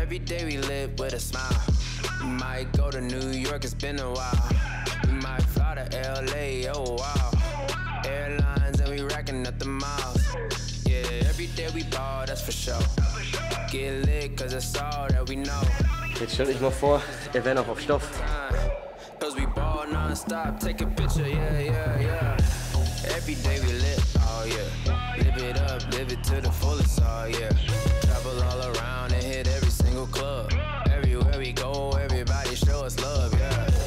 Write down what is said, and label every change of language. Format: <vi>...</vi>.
<en>Every day we live with a smile. Might go to New York, it's been a while. We might fly to LA, oh wow. Airlines and we racking up the miles. Yeah, every day we ball, that's for sure. Get lit, cause it's all that we know.</en> <de>Jetzt stell dich mal vor, ihr wärt noch auf Stoff.</de> <en>Cause we ball non-stop, take a picture, yeah, yeah, yeah. Every day we lit, oh yeah. Live it up, live it to the fullest, oh yeah. Travel all around and hit every single club. Everywhere we go, everybody show us love, yeah.</en>